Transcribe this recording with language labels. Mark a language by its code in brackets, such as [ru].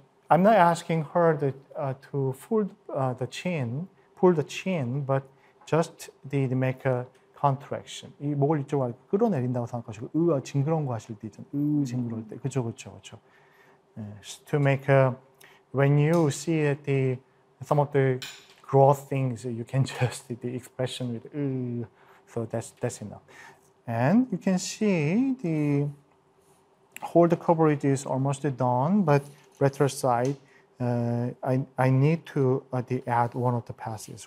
[en] I'm not asking her to fold the chin, pull the chin, but just the make a contraction. [ko] 이 목을 이쪽으로 끌어내린다고 생각하시고, 으아 징그러운 거 하실 때 있잖아요. 으 징그러울 때, 그렇죠. Yes. [en] To make a, when you see that the some of the growth things, you can just the expression with 으. So that's enough. And you can see the hold coverage is almost done, but retro side, I need to add one of the passes.